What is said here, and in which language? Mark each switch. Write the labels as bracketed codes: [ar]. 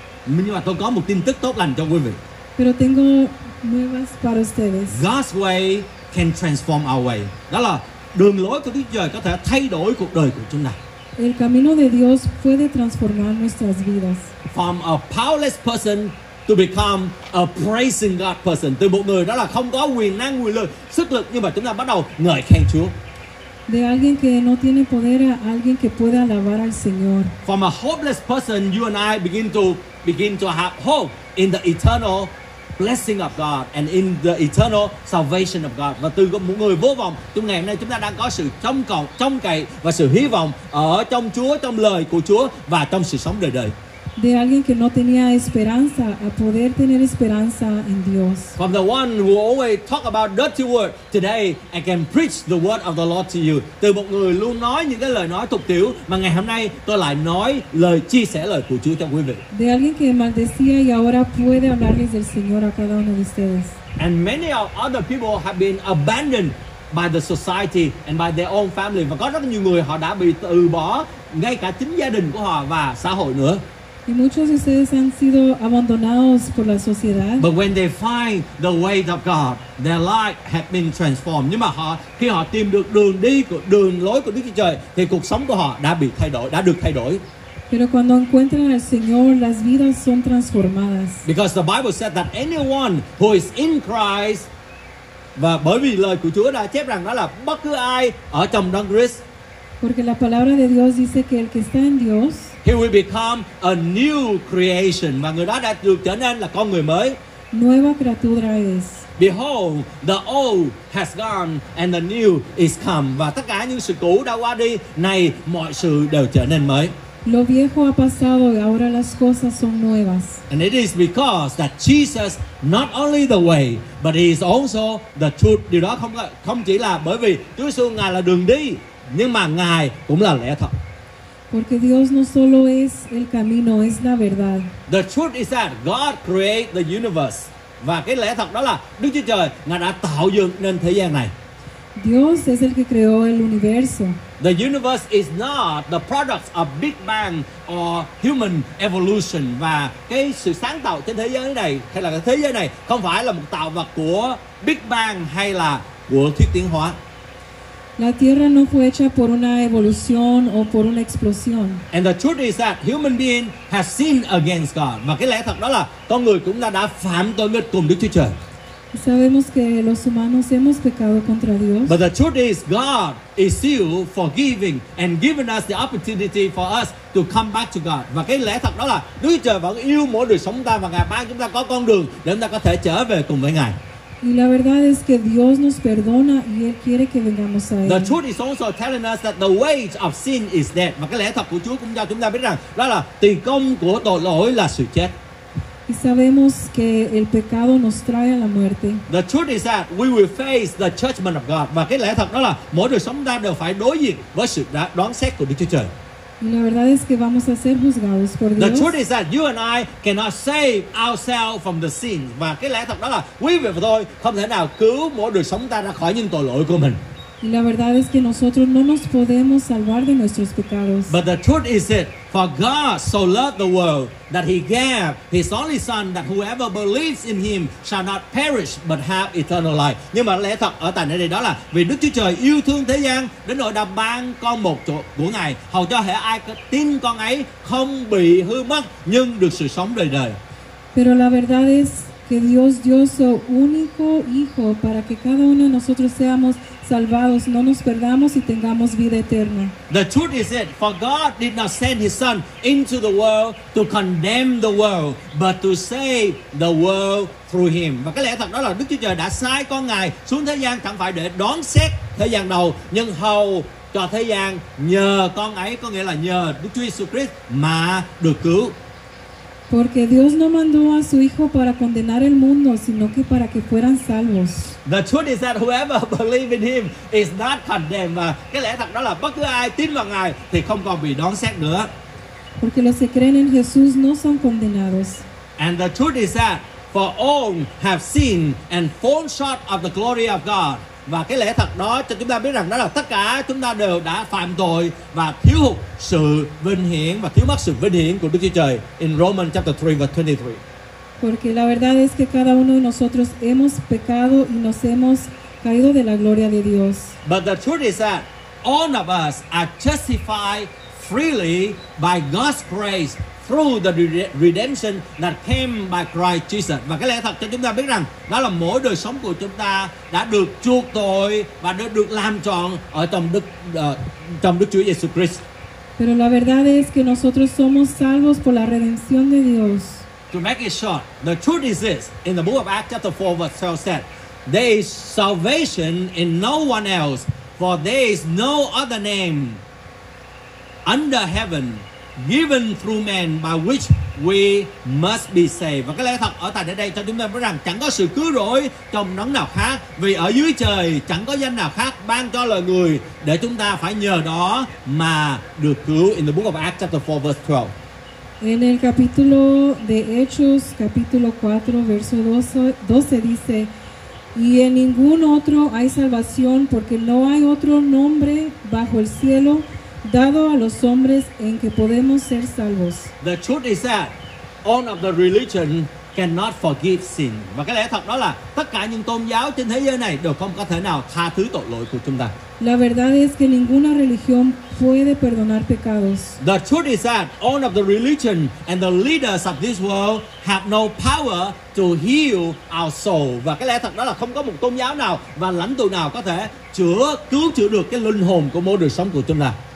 [vi] Nhưng mà tôi có một tin tức tốt lành cho quý vị. [es] Pero tengo nuevas para ustedes. [en] God's way can transform our way. [vi] Đó là đường lối của Đức Chúa Trời có thể thay đổi cuộc đời của chúng ta. [es] El camino de Dios puede transformar nuestras vidas. [en] From a powerless person to become a praising God person. [vi] Từ một người đó là không có quyền năng, quyền lực, sức lực, nhưng mà chúng ta bắt đầu ngợi khen Chúa. [es] De alguien que no tiene poder a alguien que pueda alabar al Señor. [en] From a hopeless person, you and I begin to have hope in the eternal blessing of God and in the eternal salvation of God. [vi] Và từ một người vô vọng, trong ngày hôm nay chúng ta đang có sự trông cậy và sự hy vọng ở trong Chúa, trong lời của Chúa và trong sự sống đời đời. [es] De alguien que no tenía esperanza a poder tener esperanza en Dios. [en] From the one who always talk about dirty word, today I can preach the word of the Lord to you. [vi] Từ một người luôn nói những cái lời nói tục tiểu, mà ngày hôm nay tôi lại nói lời chia sẻ lời của Chúa cho quý vị. [es] De alguien que maldecía y ahora puede hablarles del Señor a cada uno de ustedes. [en] And many of other people have been abandoned by the society and by their own family. [vi] Và có rất nhiều người họ đã bị từ bỏ ngay cả chính gia đình của họ và xã hội nữa. [es] Y muchos de ustedes han sido abandonados por la sociedad. [en] But when they find the way of God, their life has been transformed. [vi] Nhưng mà họ khi họ tìm được đường lối của Đức Chúa Trời thì cuộc sống của họ đã được thay đổi. [es] Pero cuando encuentran al Señor, las vidas son transformadas. [en] Because the Bible said that anyone who is in Christ, [vi] và bởi vì lời của Chúa đã chép rằng đó là bất cứ ai ở trong Đấng Christ. [es] Porque la palabra de Dios dice que el que está en Dios, [en] he will become a new creation. [vi] Mà người đó đã được trở nên là con người mới. [es] Nueva criatura es. [en] Behold, the old has gone and the new is come. [vi] Và tất cả những sự cũ đã qua đi, nay mọi sự đều trở nên mới. [es] Lo viejo ha pasado y ahora las cosas son nuevas. [en] And it is because that Jesus not only the way, but he is also the truth. [vi] Điều đó không chỉ là bởi vì Chúa Jesus Ngài là đường đi, nhưng mà Ngài cũng là lẽ thật. [es] Porque Dios no solo es el camino, es la verdad. [en] The truth is that God created the universe. [vi] Và cái lẽ thật đó là Đức Chúa Trời Ngài đã tạo dựng nên thế gian này. [es] Dios es el que creó el universo. [en] The universe is not the product of Big Bang or human evolution. [vi] Và cái sự sáng tạo trên thế giới này hay là cái thế giới này không phải là một tạo vật của Big Bang hay là của thuyết tiến hóa. [es] La tierra no fue hecha por una evolución o por una explosión. [en] And the truth is that human being has sinned against God. [vi] Và cái lẽ thật đó là con người cũng đã phạm tội nghịch cùng Đức Chúa Trời. [es] Sabemos que los humanos hemos pecado contra Dios. [en] But the truth is God is still forgiving and giving us the opportunity for us to come back to God. [vi] Và cái lẽ thật đó là Đức Chúa Trời vẫn yêu mỗi đời sống ta và Ngài ban chúng ta có con đường để chúng ta có thể trở về cùng với Ngài. [es] Y la verdad es que Dios nos perdona y Él quiere que vengamos a Él. [en] The truth is also telling us that the wage of sin is death. [vi] Mà cái lẽ thật của Chúa cũng cho chúng ta biết rằng đó là tiền công của tội lỗi là sự chết. [es] Y sabemos que el pecado nos trae a la muerte. [en] The truth is that we will face the judgment of God. [vi] Mà cái lẽ thật đó là mỗi đời sống ta đều phải đối diện với sự đoán xét của Đức Chúa Trời. [es] Y la verdad es que vamos a ser juzgados por Dios. [en] The truth is that you and I cannot save ourselves from the sin. [vi] Và cái lẽ thật đó là quý vị và tôi không thể nào cứu mỗi đời sống ta ra khỏi những tội lỗi của mình. [es] Y la verdad es que nosotros no nos podemos salvar de nuestros pecados. [en] But the truth is that for God so loved the world that he gave his only son that whoever believes in him shall not perish but have eternal life. [vi] Nhưng mà lẽ thật ở tại đây đó là vì Đức Chúa Trời yêu thương thế gian đến nỗi đã ban con một chỗ của Ngài hầu cho hễ ai tin con ấy không bị hư mất nhưng được sự sống đời đời. [es] Pero la verdad es que Dios dio su único hijo para que cada uno de nosotros seamos salvados, no nos perdamos y tengamos vida eterna. [en] The truth is it, for God did not send his son into the world to condemn the world, but to save the world through him. [vi] Và cái lẽ thật đó là Đức Chúa Trời đã sai con Ngài xuống thế gian chẳng phải để đoán xét thế gian đâu, nhưng hầu cho thế gian nhờ con ấy, có nghĩa là nhờ Đức Chúa Jesus Christ mà được cứu. [es] Porque Dios no mandó a su hijo para condenar el mundo, sino que para que fueran salvos. [en] The truth is that whoever believes in him is not condemned. [vi] Cái lẽ thật đó là bất cứ ai tin vào Ngài thì không còn bị đoán xét nữa. [es] Porque los que creen en Jesús no son condenados. [en] And the truth is that for all have sinned and fallen short of the glory of God. [vi] Và cái lẽ thật đó cho chúng ta biết rằng đó là tất cả chúng ta đều đã phạm tội và thiếu hụt sự vinh hiển và thiếu mất sự vinh hiển của Đức Chúa Trời [en] in Romans chapter 3 verse 23. [es] Porque la verdad es que cada uno de nosotros hemos pecado y nos hemos caído de la gloria de Dios. [en] But the truth is that all of us are justified freely by God's grace through the redemption that came by Christ Jesus. [vi] Và cái lẽ thật cho chúng ta biết rằng đó là mỗi đời sống của chúng ta đã được chuộc tội và đã được làm trọn ở trong Đức Chúa Jesus Christ. [es] Pero la verdad es que nosotros somos salvos por la redención de Dios. [en] To make it short, the truth is this: in the book of Acts chapter 4 verse 12 said, there is salvation in no one else, for there is no other name under heaven given through man by which we must be saved. [vi] Và cái lẽ thật ở tại đây cho chúng ta biết rằng chẳng có sự cứu rỗi trong đấng nào khác, vì ở dưới trời chẳng có danh nào khác ban cho loài người để chúng ta phải nhờ đó mà được cứu. [en] In the book of Acts chapter 4 verse 12. [es] En el capítulo de Hechos, capítulo 4, verso 12 dice: y en ningún otro hay salvación, porque no hay otro nombre bajo el cielo dado a los hombres en que podemos ser salvos. [en] The truth is that all of the religion cannot forgive sin. [vi] Và cái lẽ thật đó là tất cả những tôn giáo trên thế giới này đều không có thể nào tha thứ tội lỗi của chúng ta. [es] La verdad es que ninguna religión puede perdonar pecados. [en] The truth is that all of the religion and the leaders of this world have no power to heal our soul. [vi] Và cái lẽ thật đó là không có một tôn giáo nào và lãnh tụ nào có thể cứu chữa được cái linh hồn của mỗi đời sống của chúng ta.